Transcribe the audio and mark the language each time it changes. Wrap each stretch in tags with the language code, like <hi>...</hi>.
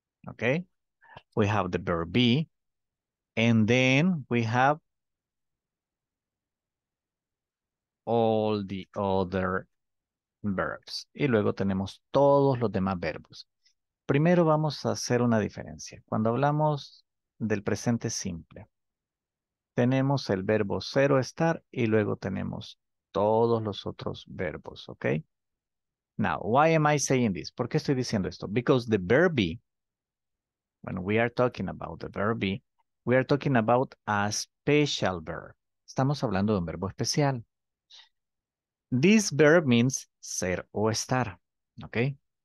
<en>Okay. We have the verb be, and then we have all the other verbs.</en> <es>Y luego tenemos todos los demás verbos. Primero vamos a hacer una diferencia. Cuando hablamos del presente simple, tenemos el verbo ser o estar, y luego tenemos todos los otros verbos, ¿ok?</es> <en>Now, why am I saying this?</en> <es>¿Por qué estoy diciendo esto?</es> <en>Because the verb be, when we are talking about the verb be, we are talking about a special verb.</en> <es>Estamos hablando de un verbo especial.</es> <en>This verb means</en> <es>ser o estar. Okay?</es>